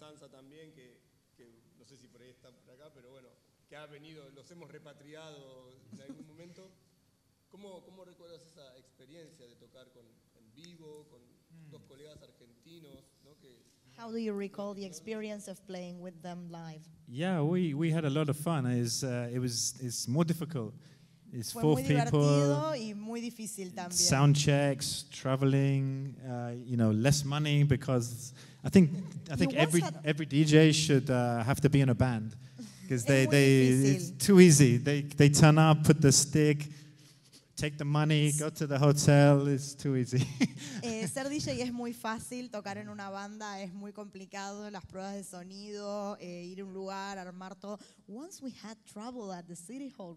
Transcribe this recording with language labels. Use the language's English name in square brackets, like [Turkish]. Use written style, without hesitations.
[Spanish] También que no sé si por ahí está por acá, pero bueno, que ha venido, los hemos repatriado en algún momento. ¿Cómo recuerdas esa experiencia de tocar en vivo con dos colegas argentinos, ¿no? Que [English] how do you recall the experience of playing with them live? Yeah, we had a lot of fun. It's more difficult. It's four people. [Spanish] Y muy difícil también. [English] Sound checks, traveling, you know, less money because I think every DJ should have to be in a band because they it's too easy. They turn up, put the stick, take the money, go to the hotel. It's too easy. [Spanish] Ser DJ es muy fácil. Tocar en una banda es muy complicado. Las pruebas de sonido, ir a un lugar, armar todo. [English] Once we had trouble at the City Hall.